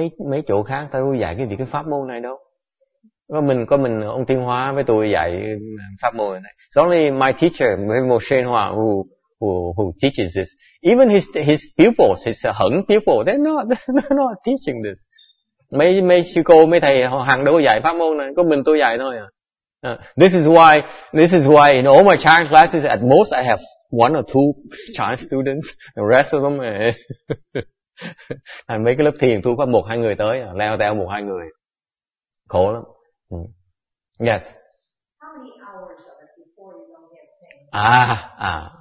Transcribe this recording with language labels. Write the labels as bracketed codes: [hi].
[vi] Mấy chỗ khác ta đâu dạy cái pháp môn này đâu. Có mình ông Tiên Hóa với tôi dạy pháp môn này. [en] It's only my teacher, Mr. Shen Hua, who teaches this. Even his pupils, his Heng pupils, they're not teaching this. [vi] Mấy sư cô, mấy thầy hàng đâu dạy pháp môn này. Có mình tôi dạy thôi à. [en] This is why in all my chant classes, at most I have one or two chant students. The rest of them, and [vi] mấy cái lớp thiền tôi có một hai người tới, leo theo một hai người, khổ lắm. [en] Yes. How many hours of it before you don't get pain?